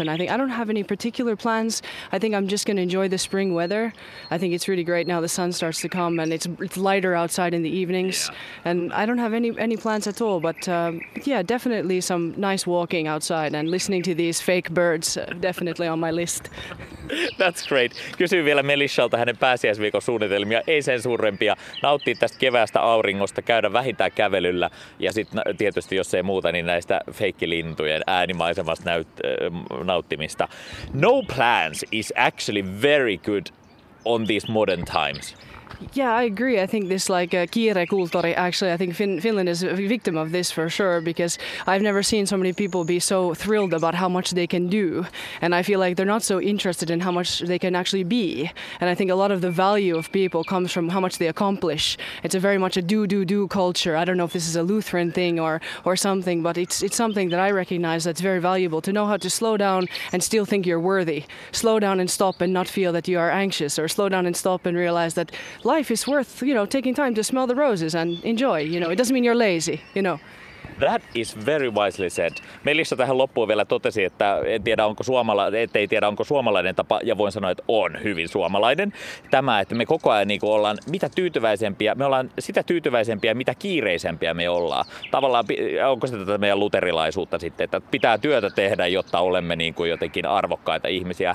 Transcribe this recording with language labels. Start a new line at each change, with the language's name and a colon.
English: And I think I don't have any particular plans. I think I'm just going to enjoy the spring weather. I think it's really great now. The sun starts to come and it's lighter outside in the evenings. Yeah. And I don't have any plans at all. But yeah, definitely some nice walking outside and listening to these fake birds. Definitely on my list. That's great.
Finnish: Kysyy vielä Melishalta hänen pääsiäisviikon suunnitelmia, ei sen suurempia. Nauttii tästä keväästä auringosta, käydä vähintään kävelyllä ja sitten tietysti jos ei muuta, niin näistä feikkilintujen äänimaisemasta nauttimista.
English: No plans is actually very good on these modern times. Yeah, I agree. I think this like
Finnish: kiire kulttuuri,
English: actually, I think Finland is a victim of this for sure, because I've never seen so many people be so thrilled about how much they can do. And I feel like they're not so interested in how much they can actually be. And I think a lot of the value of people comes from how much they accomplish. It's a very much a do culture. I don't know if this is a Lutheran thing or something, but it's something that I recognize that's very valuable, to know how to slow down and still think you're worthy. Slow down and stop and not feel that you are anxious, or slow down and stop and realize that life is worth, you know, taking time to smell the roses and enjoy, you know. It doesn't mean you're lazy, you know. That is very wisely said.
Finnish: Melissa tähän loppuun vielä totesi, että ettei tiedä, onko suomalainen tapa, ja voin sanoa, että on hyvin suomalainen. Tämä, että me koko ajan niin kuin ollaan mitä tyytyväisempiä, me ollaan sitä tyytyväisempiä, mitä kiireisempiä me ollaan. Tavallaan, onko se tätä meidän luterilaisuutta sitten, että pitää työtä tehdä, jotta olemme niin kuin jotenkin arvokkaita ihmisiä.